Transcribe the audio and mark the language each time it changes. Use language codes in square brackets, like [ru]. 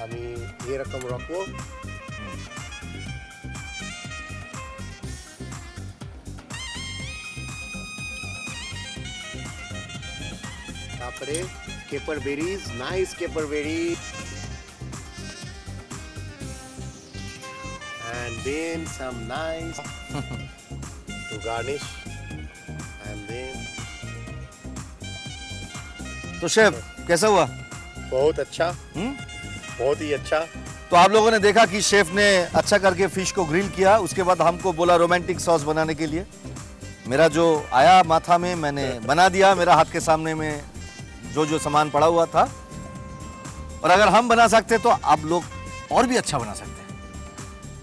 [bn] আমি এরকম রাখবো, তারপরে কেপার berries, nice কেপার berry, [en] then some nice to garnish and then [hi] तो शेफ कैसा हुआ? बहुत अच्छा, बहुत ही अच्छा। तो आप लोगों ने देखा कि शेफ ने अच्छा करके फिश को ग्रिल किया, उसके बाद हमको बोला रोमांटिक सॉस बनाने के लिए। मेरा जो आया माथा में मैंने बना दिया, मेरा हाथ के सामने में जो जो सामान पड़ा हुआ था, और अगर हम बना सकते तो आप लोग और भी अच्छा बना सकते हैं।